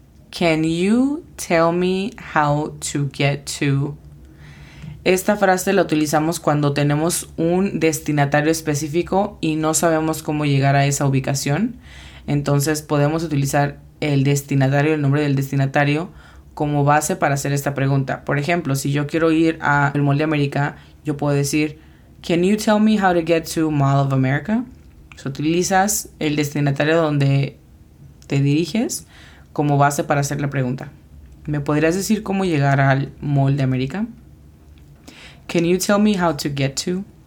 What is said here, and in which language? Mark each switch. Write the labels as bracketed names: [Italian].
[English] Can you tell me how to get to? [Spanish] Esta frase la utilizamos cuando tenemos un destinatario específico y no sabemos cómo llegar a esa ubicación. Entonces podemos utilizar el destinatario, el nombre del destinatario, como base para hacer esta pregunta. Por ejemplo, si yo quiero ir al Mall de América, yo puedo decir, [English] can you tell me how to get to Mall of America? [Spanish] So, utilizas el destinatario donde te diriges como base para hacer la pregunta. ¿Me podrías decir cómo llegar al Mall de América? [English] Can you tell me how to get to?